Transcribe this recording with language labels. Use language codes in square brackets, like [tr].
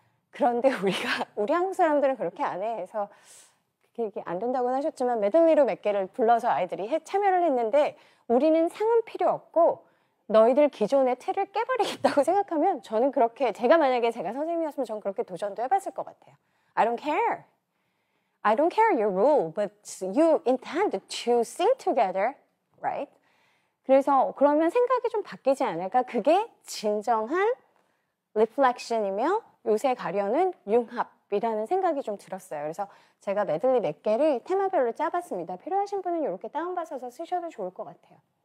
[ko] 그런데 우리가 우리 한국 사람들은 그렇게 안 해. 그래서 그게 안 된다고는 하셨지만 메들리로 몇 개를 불러서 아이들이 참여를 했는데 우리는 상은 필요 없고 너희들 기존의 틀을 깨버리겠다고 생각하면 저는 그렇게 제가 만약에 제가 선생님이었으면 저는 그렇게 도전도 해봤을 것 같아요. [en] I don't care. I don't care your rule, but you intend to sing together, right? [ko] 그래서 그러면 생각이 좀 바뀌지 않을까? 그게 진정한 리플렉션이며 요새 가려는 융합이라는 생각이 좀 들었어요. 그래서 제가 메들리 몇 개를 테마별로 짜봤습니다. 필요하신 분은 이렇게 다운받아서 쓰셔도 좋을 것 같아요.